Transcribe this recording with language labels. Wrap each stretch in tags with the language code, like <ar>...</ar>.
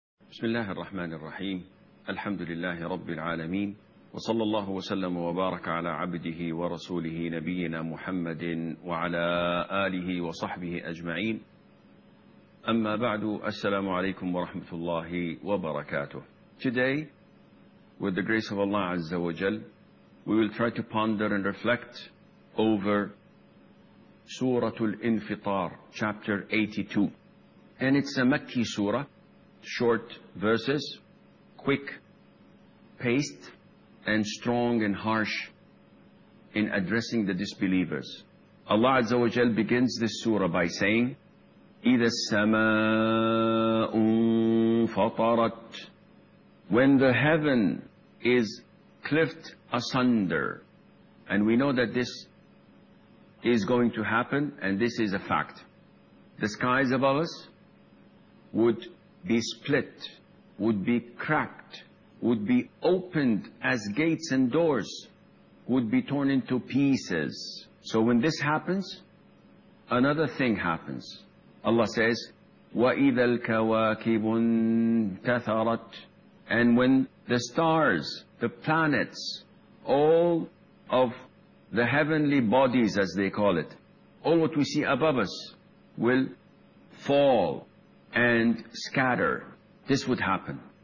<ar>بسم الله الرحمن الرحيم، الحمد لله رب العالمين، وصلى الله وسلم وبارك على عبده ورسوله نبينا محمد وعلى آله وصحبه أجمعين. أما بعد، السلام عليكم ورحمة الله وبركاته.</ar> <en>Today, with the grace of Allah عز وجل, we will try to ponder and reflect over سورة الانفطار, chapter 82. And it's a Makki surah, short verses, quick paced, and strong and harsh in addressing the disbelievers. Allah Azza wa Jal begins this surah by saying,</en> <ar>إِذَا السَّمَاءُ فَطَرَتْ.</ar> <en>When the heaven is cleft asunder, and we know that this is going to happen, and this is a fact. The skies above us would be split, would be cracked, would be opened as gates and doors, would be torn into pieces. So when this happens, another thing happens. Allah says,</en> <ar>وَإِذَا الْكَوَاكِبُ انْتَثَرَتْ.</ar> <en>And when the stars, the planets, all of the heavenly bodies, as they call it, all what we see above us will fall and scatter. This would happen.</en>